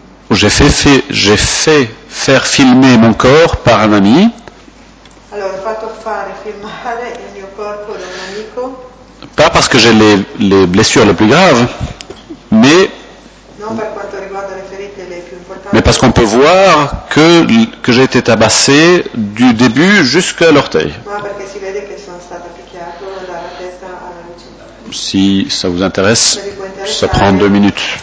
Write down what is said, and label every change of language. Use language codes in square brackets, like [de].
[fr] J'ai fait faire filmer mon corps par un ami. [it] Allora, fatto fare filmare il mio corpo da un amico. [fr] Pas parce que j'ai les blessures les plus graves, mais [it] non, per quanto riguarda le ferite le più importanti. [fr] Mais parce qu'on peut voir que j'ai été tabassé du début jusqu'à l'orteil. [it] Ma perché si vede che sono stato picchiato dalla testa alla nuca. [fr] Si ça vous intéresse, ça prend 2 minutes.